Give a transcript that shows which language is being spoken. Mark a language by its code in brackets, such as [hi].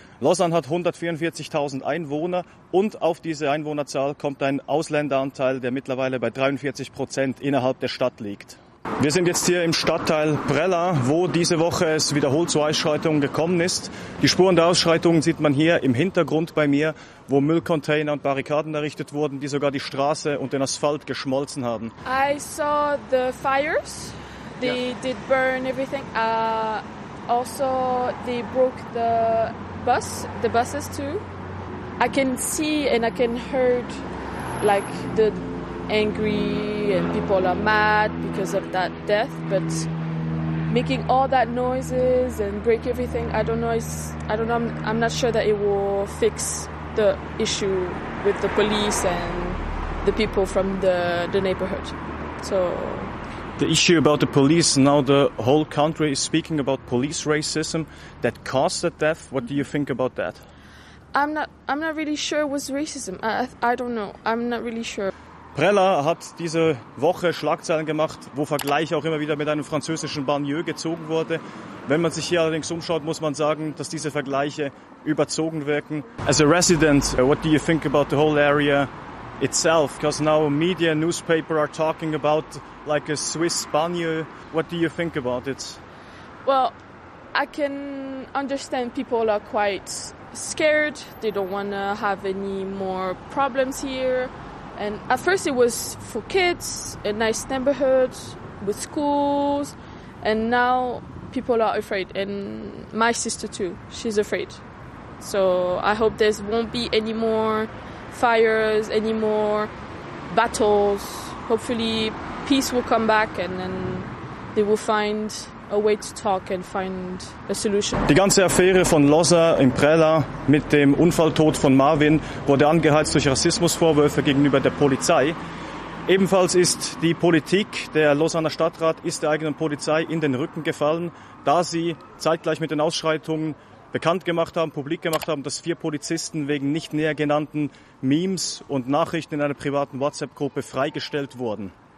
[de] Lausanne hat 144.000 Einwohner und auf diese Einwohnerzahl kommt ein Ausländeranteil, der mittlerweile bei 43% innerhalb der Stadt liegt. Wir sind jetzt hier im Stadtteil Prela, wo diese Woche es wiederholt zu Ausschreitungen gekommen ist. Die Spuren der Ausschreitungen sieht man hier im Hintergrund bei mir, wo Müllcontainer und Barrikaden errichtet wurden, die sogar die Straße und den Asphalt geschmolzen haben. [en] I saw the fires. They did burn everything. Also, they broke the buses too. I can see and I can heard like the angry and people are mad because of that death. But making all that noises and break everything, I don't know. I'm not sure that it will fix the issue with the police and the people from the neighborhood. So. The issue about the police, now the whole country is speaking about police racism that caused the death. What do you think about that? I'm not really sure it was racism. I don't know. I'm not really sure. [de] Prela hat diese Woche Schlagzeilen gemacht, wo Vergleiche auch immer wieder mit einem französischen Banlieue gezogen wurde. Wenn man sich hier allerdings umschaut, muss man sagen, dass diese Vergleiche überzogen wirken. [en] As a resident, what do you think about the whole area itself? Because now media, newspaper are talking about like a Swiss banlieue. What do you think about it? Well, I can understand people are quite scared. They don't want to have any more problems here. And at first it was for kids, a nice neighborhood with schools. And now people are afraid. And my sister too, she's afraid. So I hope there won't be any more fires, any more battles. Hopefully peace will come back and then they will find a way to talk and find a solution. [de] Die ganze Affäre von Loza in Prela mit dem Unfalltod von Marvin wurde angeheizt durch Rassismusvorwürfe gegenüber der Polizei. Ebenfalls ist die Politik, der Lausanner Stadtrat ist der eigenen Polizei in den Rücken gefallen, da sie zeitgleich mit den Ausschreitungen bekannt gemacht haben, publik gemacht haben, dass 4 Polizisten wegen nicht näher genannten Memes und Nachrichten in einer privaten WhatsApp-Gruppe freigestellt wurden.